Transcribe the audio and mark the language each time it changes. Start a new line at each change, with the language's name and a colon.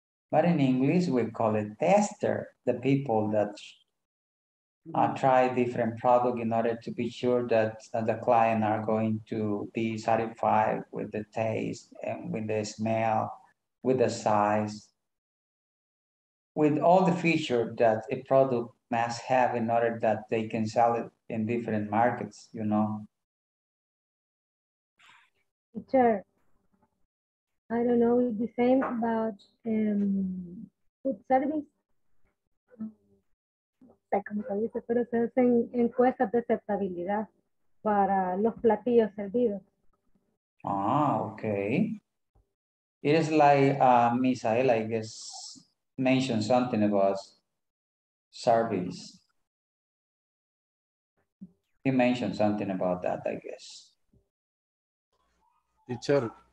English: But in English, we call it tester, the people that try different product in order to be sure that the client are going to be satisfied with the taste and with the smell, with the size, with all the features that a product must have in order that they can sell it in different markets, you know. Teacher, I don't know if the same about food service.
Spanish: Como se dice, pero se hacen encuestas de aceptabilidad para los platillos servidos.
English: Ah, okay. It is like Misael, I guess, mentioned something about service. He mentioned something about that, I guess. Teacher.